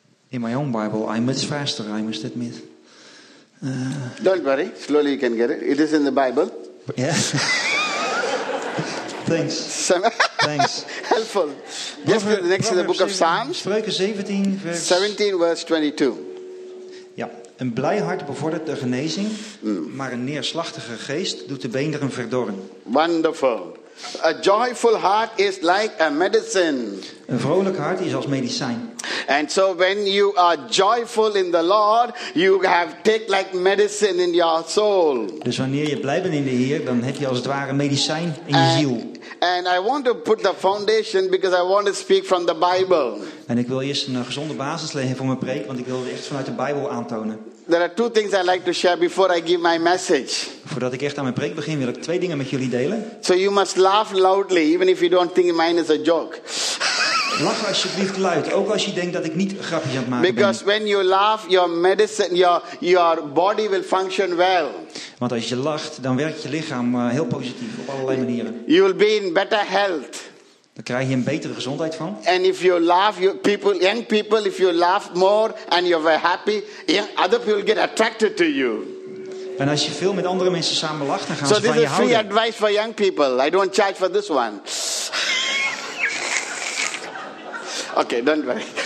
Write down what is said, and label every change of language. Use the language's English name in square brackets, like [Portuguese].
[English] In my own Bible, I'm much faster, I must admit. Don't worry, slowly you can get it. It is in the Bible. Yeah. Thanks. Thanks. Helpful. Yes, the next is the book of Psalms. [Dutch] Spreuken 17, vers... [English] 17, verse 22. [Dutch] Ja, een blij hart bevordert de genezing, maar een neerslachtige geest doet de beenderen verdorren. [English] Wonderful. A joyful heart is like a medicine. [Dutch] Een vrolijk hart is als medicijn. [English] And so when you are joyful in the Lord, you have take like medicine in your soul. [Dutch] Dus wanneer je blij bent in de Heer, dan heb je als het ware medicijn in je ziel. [English] And I want to put the foundation because I want to speak from the Bible. [Dutch] En ik wil eerst een gezonde basis leggen voor mijn preek, want ik wil echt vanuit de Bijbel aantonen. [English] There are two things I'd like to share before I give my message. [Dutch] Voordat ik echt aan mijn preek begin, wil ik twee dingen met jullie delen. [English] So you must laugh loudly, even if you don't think mine is a joke. [Dutch] Lach alsjeblieft luid, ook als je denkt dat ik niet grapjes aan het maken [English] Because [Dutch] ben. [English] When you laugh, your medicine, your body will function well. [Dutch] Want als je lacht, dan werkt je lichaam heel positief op allerlei manieren. [English] You will be in better health. [Dutch] Dan krijg je een betere gezondheid van. [English] And if you laugh, you people, young people, if you laugh more and you're very happy, other people get attracted to you. [Dutch] En als je veel met andere mensen samen lacht, dan gaan [English] so [Dutch] ze van je houden. [English] So this is free advice for young people. I don't charge for this one. Okay, don't worry.